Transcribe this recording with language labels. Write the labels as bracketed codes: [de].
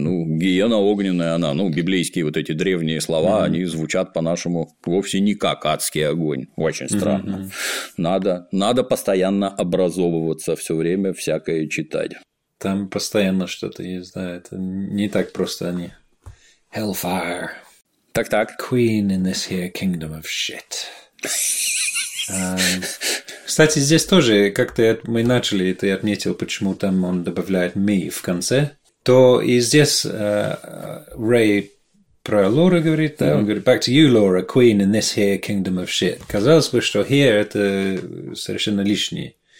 [ru] Ну, гиена огненная она, ну, библейские вот эти древние слова, они звучат по-нашему вовсе не как адский огонь, очень странно. Надо постоянно образовываться, все время всякое читать. Там постоянно что-то есть, да, это не так просто они. [en] Hellfire. [ru] Так-так. [en] Queen in this here kingdom of shit. [ru] Кстати, здесь тоже, как-то мы начали, ты отметил, почему там он добавляет me в конце, то и здесь Рэй про Лору говорит, да, он говорит, [en] back to you, Laura, queen in this here kingdom of shit. [ru] Казалось бы, что here – это совершенно лишнее.